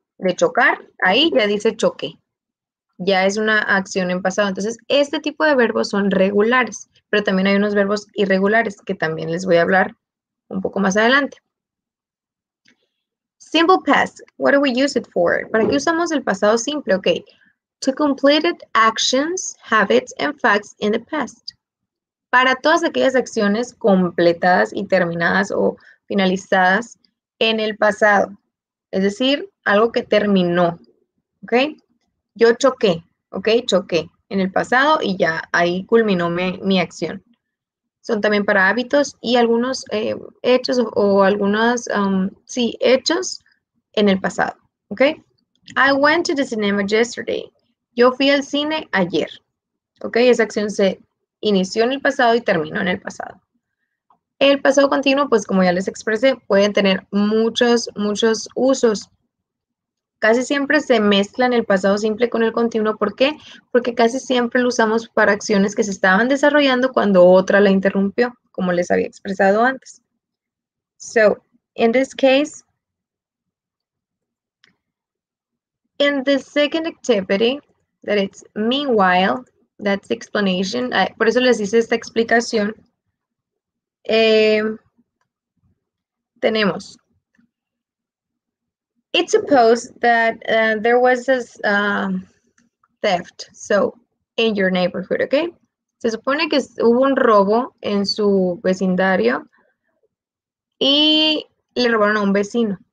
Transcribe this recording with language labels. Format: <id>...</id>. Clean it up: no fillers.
<es>De chocar, ahí ya dice choqué. Ya es una acción en pasado. Entonces, este tipo de verbos son regulares, pero también hay unos verbos irregulares que también les voy a hablar un poco más adelante.</es> <en>Simple past, what do we use it for?</en> <es>¿Para qué usamos el pasado simple?</es> <en>Ok, to completed actions, habits, and facts in the past.</en> <es>Para todas aquellas acciones completadas y terminadas o finalizadas en el pasado. Es decir, algo que terminó, ok. Yo choqué, ¿ok? Choqué en el pasado y ya ahí culminó mi acción. Son también para hábitos y algunos hechos o algunos, sí, hechos en el pasado, ¿ok?</es> <en>I went to the cinema yesterday.</en> <es>Yo fui al cine ayer, ¿ok? Esa acción se inició en el pasado y terminó en el pasado. El pasado continuo, pues como ya les expresé, pueden tener muchos, muchos usos. Casi siempre se mezclan el pasado simple con el continuo. ¿Por qué? Porque casi siempre lo usamos para acciones que se estaban desarrollando cuando otra la interrumpió, como les había expresado antes.</es> <en>So, in this case, in the second activity, that it's meanwhile, That's the explanation.</en> <es>Por eso les hice esta explicación. Tenemos.</es> <en>It's supposed that there was this theft, so in your neighborhood, okay?</en> <es>Se supone que hubo un robo en su vecindario y le robaron a un vecino.</es>